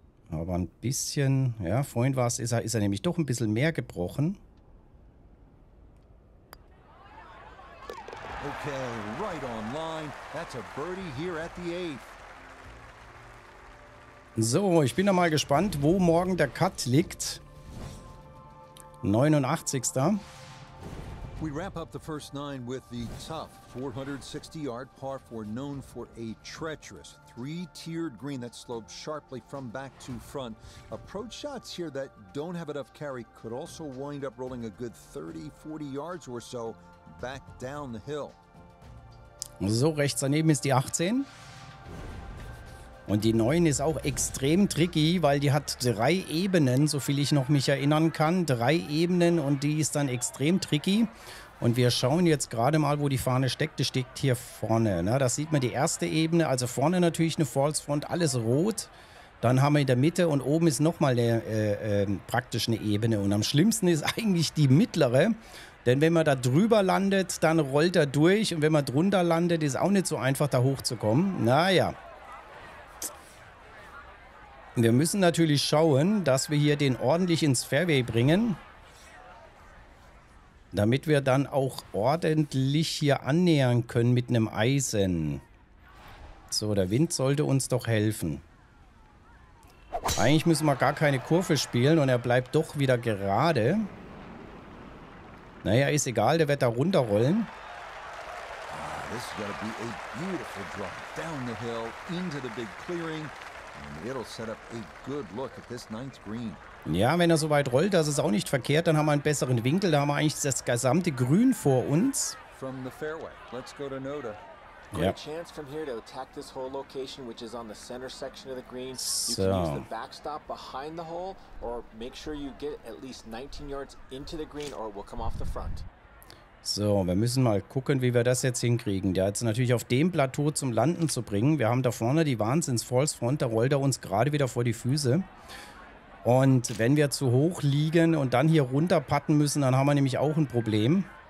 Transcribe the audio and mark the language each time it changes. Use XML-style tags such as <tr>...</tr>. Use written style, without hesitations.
<de>Aber ein bisschen, ja, vorhin war es, ist er nämlich doch ein bisschen mehr gebrochen.</de> <en>Okay, right on line. That's a birdie here at the eighth.</en> <de>So, ich bin noch mal gespannt, wo morgen der Cut liegt. 89.</de> <en>We wrap up the first nine with the tough 460-yard par 4, known for a treacherous three-tiered green that slopes sharply from back to front. Approach shots here that don't have enough carry could also wind up rolling a good 30, 40 yards or so back down the hill.</en> <de>So, rechts daneben ist die 18. Und die 9 ist auch extrem tricky, weil die hat 3 Ebenen, so viel ich noch mich erinnern kann. 3 Ebenen und die ist dann extrem tricky. Und wir schauen jetzt gerade mal, wo die Fahne steckt. Die steckt hier vorne. Ne? Da sieht man die erste Ebene. Also vorne natürlich eine False Front, alles rot. Dann haben wir in der Mitte und oben ist nochmal eine praktisch eine Ebene. Und am schlimmsten ist eigentlich die mittlere. Denn wenn man da drüber landet, dann rollt er durch. Und wenn man drunter landet, ist auch nicht so einfach, da hochzukommen. Naja. Wir müssen natürlich schauen, dass wir hier den ordentlich ins Fairway bringen. Damit wir dann auch ordentlich hier annähern können mit einem Eisen. So, der Wind sollte uns doch helfen. Eigentlich müssen wir gar keine Kurve spielen und er bleibt doch wieder gerade. Naja, ist egal, der wird da runterrollen.</de> <en>Ah, this is gonna be a beautiful drop down the hill into the big clearing. It'll set up a good look at this ninth green.</en> <de>Ja, wenn er so weit rollt, das ist auch nicht verkehrt, dann haben wir einen besseren Winkel, da haben wir eigentlich das gesamte Grün vor uns.</de> <en>From the fairway, let's go to Noda. Great chance from here to attack this hole location, which is on the center section of the green.</en> <de>So.</de> <en>You can use the backstop behind the hole, or make sure you get at least 19 yards into the green, or it will come off the front.</en> <de>So, wir müssen mal gucken, wie wir das jetzt hinkriegen. Der jetzt natürlich auf dem Plateau zum Landen zu bringen. Wir haben da vorne die Wahnsinns-False-Front, da rollt er uns gerade wieder vor die Füße. Und wenn wir zu hoch liegen und dann hier runter putten müssen, dann haben wir nämlich auch ein Problem.</de>